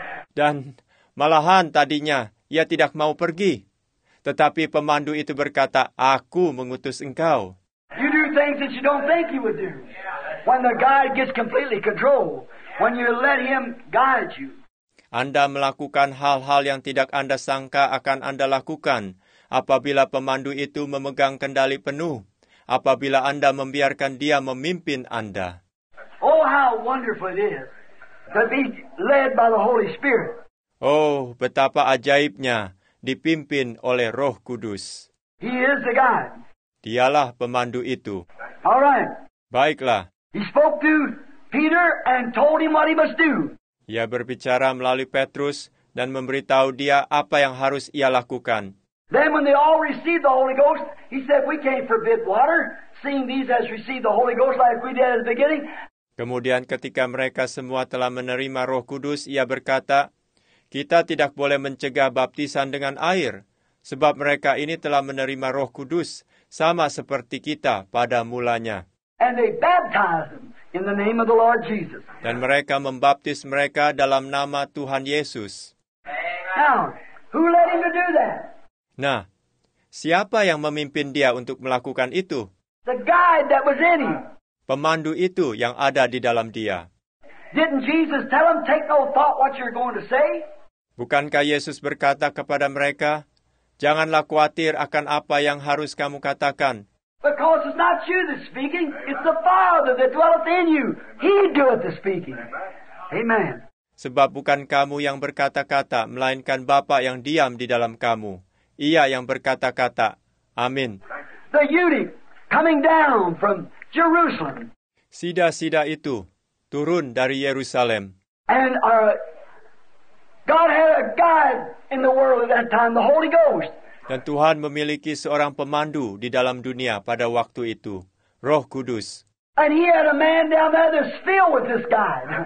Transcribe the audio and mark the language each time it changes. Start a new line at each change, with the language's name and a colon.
Indonesian: Dan malahan tadinya ia tidak mau pergi, tetapi pemandu itu berkata, "Aku mengutus engkau."
English: You do things that you don't think you would do when the guide gets completely control, when you let him guide you.
Indonesian: Anda melakukan hal-hal yang tidak Anda sangka akan Anda lakukan apabila pemandu itu memegang kendali penuh, apabila Anda membiarkan dia memimpin Anda.
English: Oh, how wonderful it is to be led by the Holy Spirit.
Indonesian: Oh, betapa ajaibnya dipimpin oleh Roh Kudus.
English: He is the guide.
Indonesian: Dialah pemandu itu.
English: All right.
Indonesian: Baiklah.
English: He spoke to Peter and told him what he must do.
Indonesian: Ia berbicara melalui Petrus dan memberitahu dia apa yang harus ia lakukan.
English: Then when they all received the Holy Ghost, he said, "We can't forbid water, seeing these has received the Holy Ghost like we did at the beginning."
Indonesian: Kemudian ketika mereka semua telah menerima Roh Kudus, ia berkata, "Kita tidak boleh mencegah baptisan dengan air, sebab mereka ini telah menerima Roh Kudus sama seperti kita pada mulanya."
English: And they baptized them in the name of the Lord Jesus.
Indonesian: Dan mereka membaptis mereka dalam nama Tuhan Yesus.
English: Now, who led him to do that?
Indonesian: Nah, siapa yang memimpin dia untuk melakukan itu?
English: The guide that was in him.
Indonesian: Pemandu itu yang ada di dalam dia.
English: Didn't Jesus tell him, "Take no thought what you're going to say"?
Indonesian: Bukankah Yesus berkata kepada mereka, "Janganlah khawatir akan apa yang harus kamu katakan"?
English: Because it's not you that's speaking, it's the Father that dwelleth in you. He doeth the speaking. Amen.
Indonesian: Sebab bukan kamu yang berkata-kata, melainkan Bapa yang diam di dalam kamu. Ia yang berkata-kata. Amin.
English: The eunuch coming down from Jerusalem.
Indonesian: Sida-sida itu turun dari Yerusalem.
English: And God had a guide in the world at that time, the Holy Ghost.
Indonesian: Dan Tuhan memiliki seorang pemandu di dalam dunia pada waktu itu, Roh Kudus.
English: And he had a man down there that's filled with this guy.